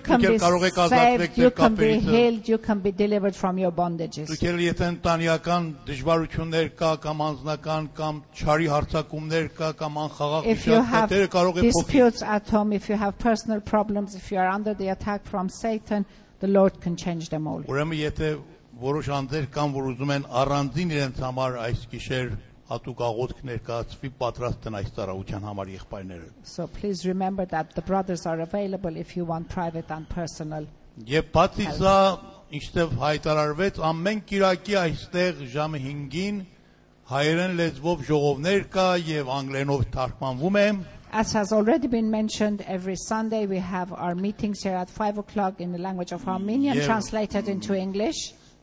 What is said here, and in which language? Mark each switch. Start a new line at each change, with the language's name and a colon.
English: can be saved, you can be healed, you can be delivered from your bondages. If you have disputes at home, if you have personal problems, if you are under the attack from Satan, the Lord can change them all.
Armenian: Ուրեմն եթե որոշ անձեր կան, որ ուզում են առանձին իրենց համար այս գիշեր հատուկ աղոթք ներկայացվի, պատրաստ են այս ծառայության համար եղբայրները.
English: So please remember that the brothers are available if you want private and personal.
Armenian: Եվ բացի սա, ինչտեղ հայտարարվեց, ամեն կիրակի այստեղ ժամը 5-ին հայերեն լեզվով ժողովներ կա եւ անգլերենով թարգմանվում է.
English: As has already been mentioned, every Sunday we have our meetings here at 5 o'clock in the language of Armenian, yeah, translated into English.